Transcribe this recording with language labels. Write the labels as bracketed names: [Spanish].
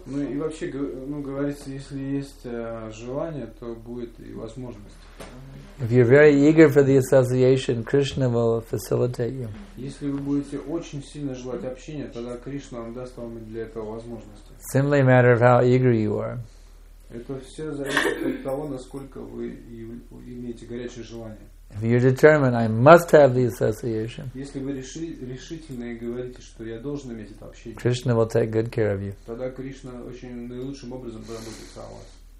[English] If you're very eager for the association, Krishna will facilitate you. [Russian] Если вы будете очень сильно желать общения, тогда Кришна вам даст вам для этого возможности. [English] Simply a matter of how eager you are. [Russian] Это все зависит от того, насколько вы имеете горячее желание. [English] If you're determined, I must have the association. [Russian] Если вы решительно и говорите, что я должен иметь это общение, [English] Krishna will take good care of you. [Russian] Тогда Кришна очень наилучшим образом позаботится о вас.